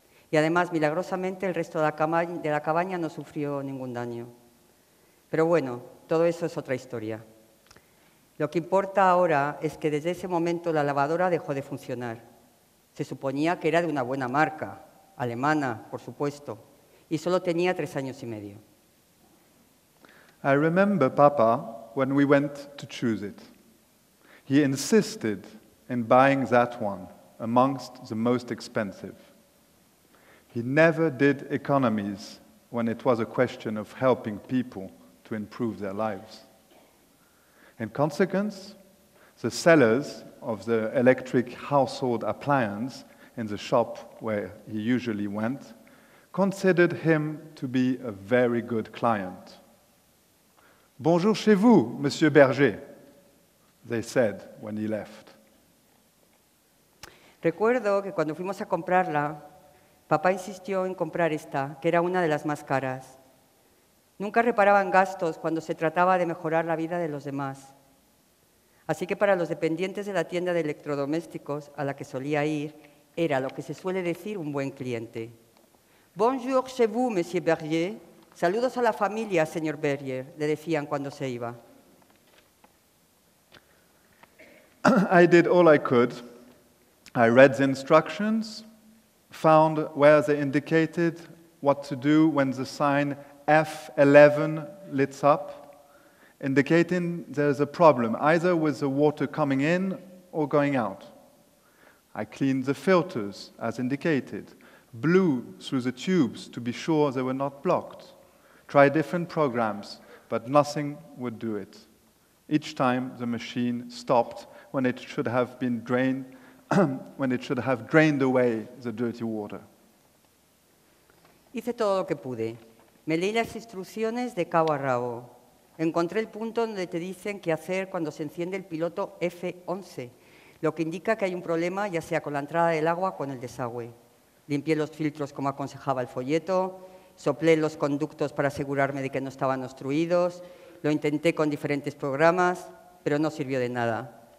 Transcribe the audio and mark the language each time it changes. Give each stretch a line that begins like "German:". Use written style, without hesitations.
Spanish: Y además, milagrosamente, el resto de la cabaña no sufrió ningún daño. Pero bueno, todo eso es otra historia. Lo que importa ahora es que desde ese momento la lavadora dejó de funcionar. Se suponía que era de una buena marca, alemana, por supuesto, y solo tenía 3 años y medio.
English: I remember Papa when we went to choose it. He insisted in buying that one amongst the most expensive. He never did economies when it was a question of helping people to improve their lives. In consequence, the sellers of the electric household appliance in the shop where he usually went considered him to be a very good client.
French: "Bonjour chez vous, Monsieur Berger,"
English: they said when he left.
Spanish: Recuerdo que cuando fuimos a comprarla, papá insistió en comprar esta, que era una de las más caras. Nunca reparaban gastos cuando se trataba de mejorar la vida de los demás. Así que para los dependientes de la tienda de electrodomésticos a la que solía ir, era lo que se suele decir un buen cliente.
French: "Bonjour chez vous, Monsieur Berger.
Spanish: Saludos a la familia, señor Berger," le decían cuando se iba.
English: I did all I could. I read the instructions, found where they indicated what to do when the sign F11 lights up, indicating there's a problem, either with the water coming in or going out. I cleaned the filters, as indicated, blew through the tubes to be sure they were not blocked, tried different programs, but nothing would do it. Each time the machine stopped when it should have been drained, when it should have drained away the dirty water.
Spanish: Hice todo lo que pude. Me leí las instrucciones de cabo a rabo. Encontré el punto donde te dicen qué hacer cuando se enciende el piloto F11, lo que indica que hay un problema, ya sea con la entrada del agua o con el desagüe. Limpié los filtros como aconsejaba el folleto, soplé los conductos para asegurarme de que no estaban obstruidos, lo intenté con diferentes programas, pero no sirvió de nada.